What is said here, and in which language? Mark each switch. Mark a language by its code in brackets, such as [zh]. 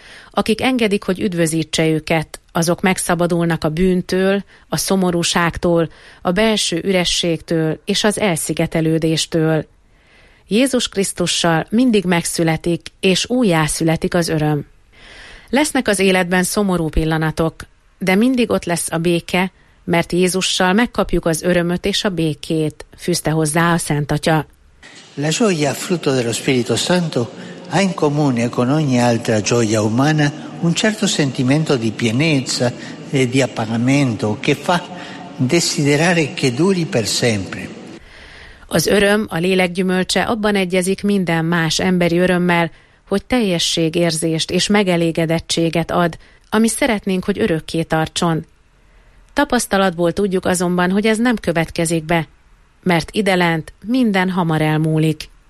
[hu] Akik engedik, hogy üdvözítse őket, azok megszabadulnak a bűntől, a szomorúságtól, a belső ürességtől és az elszigetelődéstől. Jézus Krisztussal mindig megszületik és újjászületik az öröm. Lesznek az életben szomorú pillanatok, de mindig ott lesz a béke, mert Jézussal megkapjuk az örömöt és a békét, fűzte hozzá a Szent Atya. [it] La gioia frutto dello Spirito Santo ha in comune con ogni altra gioia umana un certo sentimento di pienezza e di appagamento che fa desiderare che duri per sempre. [hu] Az öröm, a lélek gyümölcse abban egyezik minden más emberi örömmel, hogy teljességérzést és megelégedettséget ad, ami szeretnénk, hogy örökké tartson. Tapasztalatból tudjuk azonban, hogy ez nem következik be, mert idelent minden hamar elmúlik.